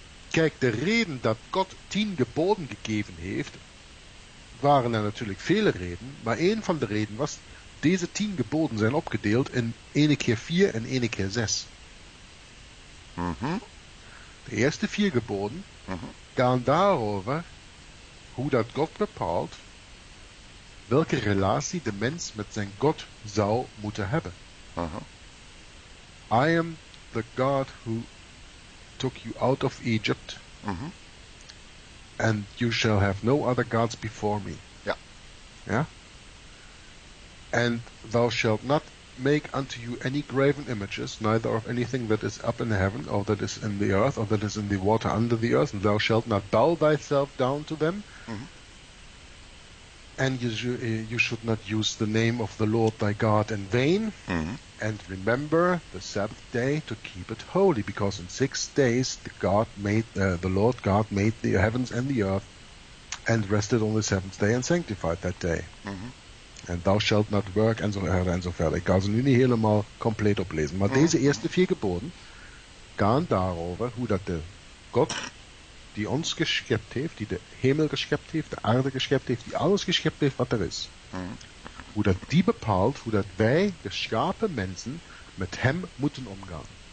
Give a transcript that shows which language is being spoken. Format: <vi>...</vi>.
<nl>Kijk, de reden dat God 10 geboden gegeven heeft, waren er natuurlijk vele redenen, maar een van de redenen was, deze 10 geboden zijn opgedeeld in 1 keer 4 en 1 keer 6. Mm-hmm. De eerste 4 geboden gaan daarover hoe dat God bepaalt welke relatie de mens met zijn God zou moeten hebben. Uh-huh.</nl> <en>I am the God who took you out of Egypt, and you shall have no other gods before me.</en> <nl>Ja. Ja?</nl> <en>And thou shalt not make unto you any graven images, neither of anything that is up in heaven, or that is in the earth, or that is in the water under the earth, and thou shalt not bow thyself down to them, and you should not use the name of the Lord thy God in vain. And remember the Sabbath day to keep it holy, because in 6 days the Lord God made the heavens and the earth, and rested on the seventh day and sanctified that day. And thou shalt not work, and so on and so forth.</en> <nl>Ik ga ze nu niet helemaal compleet oplezen. Maar deze eerste 4 geboden gaan daarover hoe dat de God die ons geschept heeft, die de hemel geschept heeft, de aarde geschept heeft, die alles geschept heeft wat er is. Hoe dat die bepaalt hoe dat wij, geschapen mensen, met hem moeten omgaan.</nl>